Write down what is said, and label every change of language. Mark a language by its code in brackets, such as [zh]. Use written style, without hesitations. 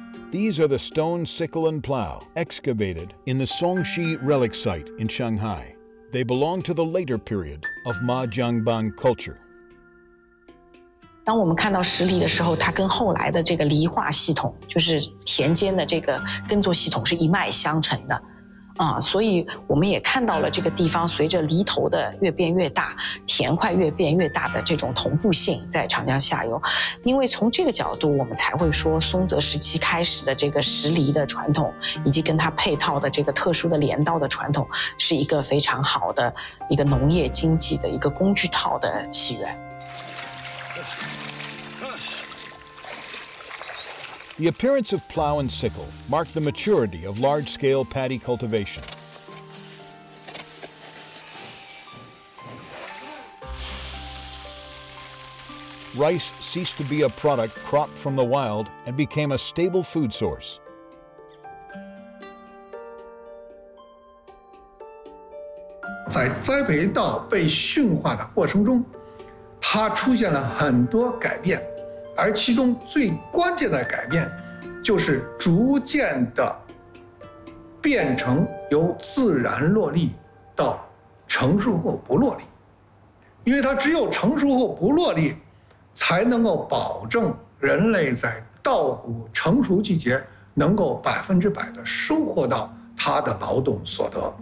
[en] These are the stone sickle and plow excavated in the Songxi relic site in Shanghai. They belong to the later period of Majiangban culture. [zh] 当我们看到实例的时候，它跟后来的这个犁化系统，就是田间的这个耕作系统是一脉相承的啊，所以我们也看到了这个地方随着犁头的越变越大，田块越变越大的这种同步性在长江下游。因为从这个角度，我们才会说松泽时期开始的这个石犁的传统，以及跟它配套的这个特殊的镰刀的传统，是一个非常好的一个农业经济的一个工具套的起源。 [en] The appearance of plow and sickle marked the maturity of large-scale paddy cultivation. Rice ceased to be a product cropped from the wild and became a stable food source. In the harvesting process of the harvesting process, there were many changes. [zh] 而其中最关键的改变，就是逐渐的变成由自然落粒到成熟后不落粒，因为它只有成熟后不落粒，才能够保证人类在稻谷成熟季节能够100%的收获到它的劳动所得。